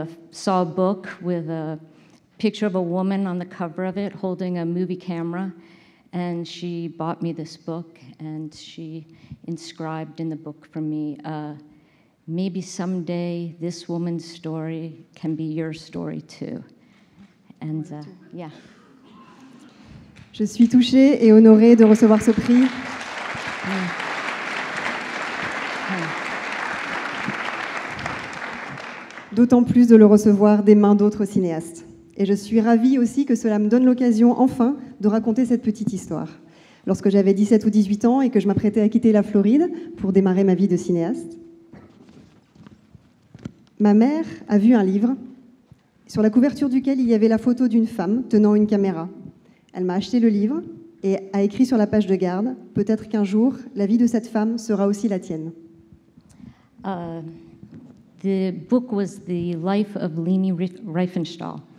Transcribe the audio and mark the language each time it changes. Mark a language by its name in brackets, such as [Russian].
[English] saw a book with a picture of a woman on the cover of it holding a movie camera, and she bought me this book, and she inscribed in the book for me, maybe someday this woman's story can be your story too. And yeah. [French] Je suis touchée et honorée de recevoir ce prix. D'autant plus de le recevoir des mains d'autres cinéastes. Et je suis ravie aussi que cela me donne l'occasion enfin de raconter cette petite histoire. Lorsque j'avais 17 ou 18 ans et que je m'apprêtais à quitter la Floride pour démarrer ma vie de cinéaste, ma mère a vu un livre sur la couverture duquel il y avait la photo d'une femme tenant une caméra. Elle m'a acheté le livre et a écrit sur la page de garde, peut-être qu'un jour, la vie de cette femme sera aussi la tienne. [English] The book was The Life of Leni Riefenstahl.